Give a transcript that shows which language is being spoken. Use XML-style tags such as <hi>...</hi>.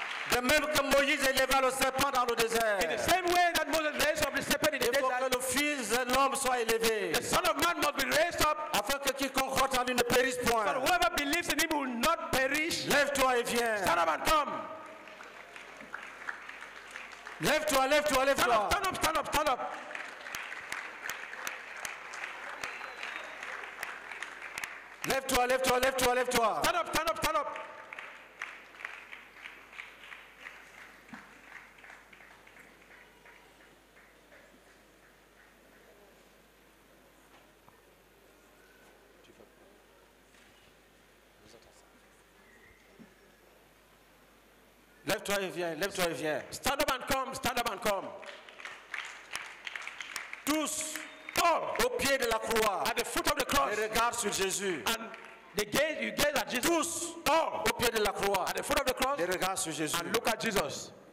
<fr>De même que Moïse éleva le serpent dans le désert.</fr> <en>In the same way that Moses raised up the serpent in the desert.</en> <fr>Et pour que le fils de l'homme soit élevé.</fr> <en>The son of man must be raised up.</en> <fr>Afin que quiconque croit en lui ne périsse point.</fr> <en>So whoever believes in him will not perish.</en> <fr>Lève-toi et viens.</fr> <en>Stand up and come.</en> <fr>Lève-toi, lève-toi, lève-toi.</fr> <en>Stand up, stand up, stand up, stand up.</en> <fr>Lève-toi, lève-toi, lève-toi, lève-toi.</fr> <en>Stand up, stand up, stand up.</en> <fr>Lève-toi et viens, lève-toi et viens.</fr> <en>Stand up and come, stand up and come.</en> <fr>Tous,</fr> <en>all,</en> <fr>au pied de la croix,</fr> <en>at the foot of the cross,</en> <fr>et regarde sur Jésus.</fr> <en>And they gaze, you gaze at Jesus.</en> <fr>Tous,</fr> <en>all,</en> <fr>au pied de la croix,</fr> <en>at the foot of the cross,</en> <fr>et regarde sur Jésus.</fr> <en>And look at Jesus.</en>